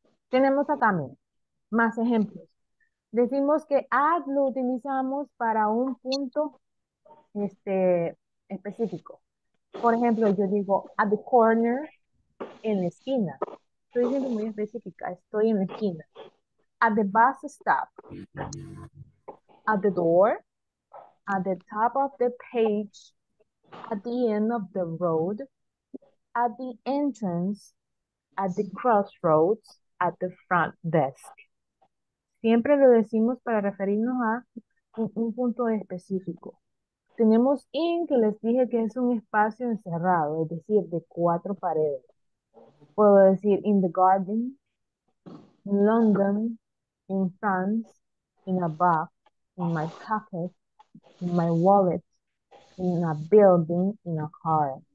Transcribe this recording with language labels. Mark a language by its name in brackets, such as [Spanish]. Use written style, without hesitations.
[Spanish] Tenemos acá también más ejemplos. Decimos que at lo utilizamos para un punto específico. Por ejemplo, yo digo [English] at the corner, [Spanish] en la esquina. Estoy siendo muy específica, estoy en la esquina. [English] At the bus stop, at the door, at the top of the page, at the end of the road, at the entrance, at the crossroads, at the front desk. [Spanish] Siempre lo decimos para referirnos a un punto específico. Tenemos in, que les dije que es un espacio encerrado, es decir, de cuatro paredes. Puedo decir [English] in the garden, in London, in France, in a bag, in my pocket, in my wallet, in a building, in a car.